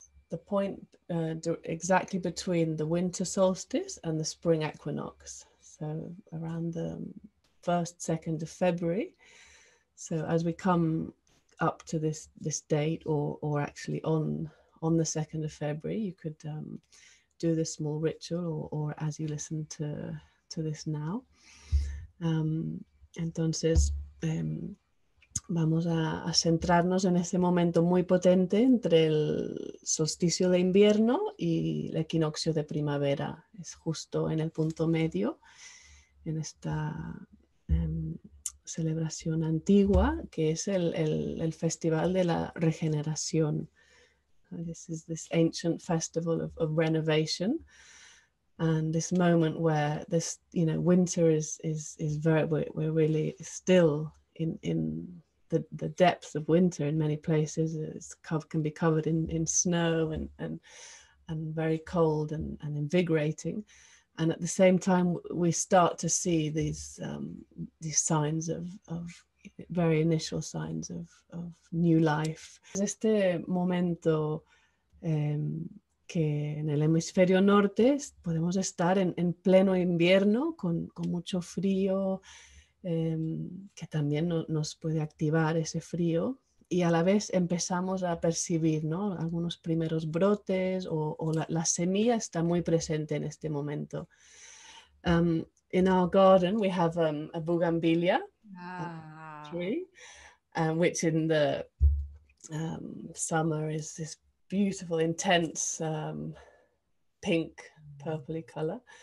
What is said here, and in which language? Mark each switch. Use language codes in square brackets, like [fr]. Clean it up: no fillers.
[en] The point exactly between the winter solstice and the spring equinox, so around the 1st, 2nd of February. So as we come up to this date, or actually on the 2nd of February, you could do this small ritual, or as you listen to this now. [es] Entonces vamos a centrarnos en ese momento muy potente entre el solsticio de invierno y el equinoccio de primavera. Es justo en el punto medio, en esta celebración antigua, que es el festival de la regeneración. [en] This is this ancient festival of renovation, and this moment where this, you know, winter is very, we're really still in the depths of winter in many places. It can be covered in snow and very cold and invigorating. And at the same time, we start to see these signs of very initial signs of new life. [es] Este momento que en el hemisferio norte podemos estar en pleno invierno con mucho frío, que también nos puede activar ese frío, y a la vez empezamos a percibir, ¿no?, algunos primeros brotes o la semilla está muy presente en este momento. [en] In our garden we have a bougainvillea tree, which in the summer is this beautiful, intense pink, purpley color.